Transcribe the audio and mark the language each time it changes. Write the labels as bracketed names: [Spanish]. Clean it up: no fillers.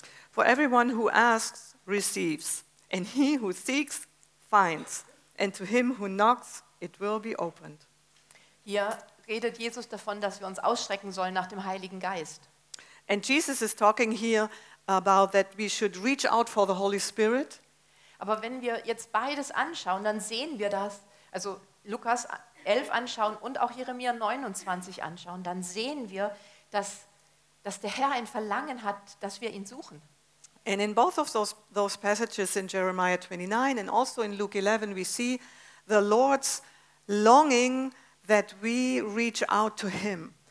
[English] For everyone who asks, receives and he who seeks, finds and to him who knocks, it will be opened. [German] Hier redet Jesus davon, dass wir uns ausstrecken sollen nach dem Heiligen Geist. [English] And Jesus is talking here about that we should reach out for the Holy Spirit. [German] Aber wenn wir jetzt beides anschauen, dann sehen wir das, also Lukas 11 anschauen und auch Jeremia 29 anschauen, dann sehen wir, dass der Herr ein Verlangen hat, dass wir ihn suchen. [English] And in both of those passages in Jeremiah 29 and also in Luke 11 we see the Lord's longing that we reach out to him.